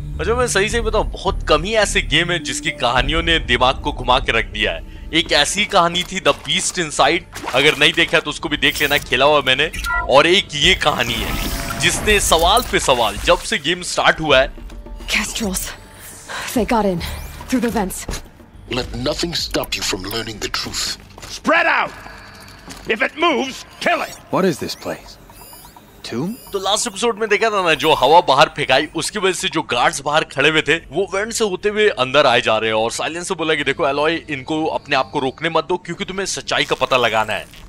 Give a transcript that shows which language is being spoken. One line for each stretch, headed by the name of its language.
Hindi: अच्छा मैं सही से बताऊँ बहुत कम ही ऐसे गेम है जिसकी कहानियों ने दिमाग को घुमा के रख दिया है। एक ऐसी कहानी थी द बीस्ट इनसाइड, अगर नहीं देखा तो उसको भी देख लेना, खेला हुआ मैंने। और एक ये कहानी है जिसने सवाल पे सवाल जब से गेम स्टार्ट हुआ है।
English: Castros, they got in through the vents. Let nothing stop you from learning the truth. Spread out. If it moves, kill it. What is this place?
Hindi: तो लास्ट एपिसोड में देखा था ना जो हवा बाहर फेंकाई उसकी वजह से जो गार्ड्स बाहर खड़े हुए थे वो वेंट से होते हुए अंदर आए जा रहे हैं और साइलेंस से बोला कि देखो एलॉय इनको अपने आप को रोकने मत दो क्योंकि तुम्हें सच्चाई का पता लगाना है।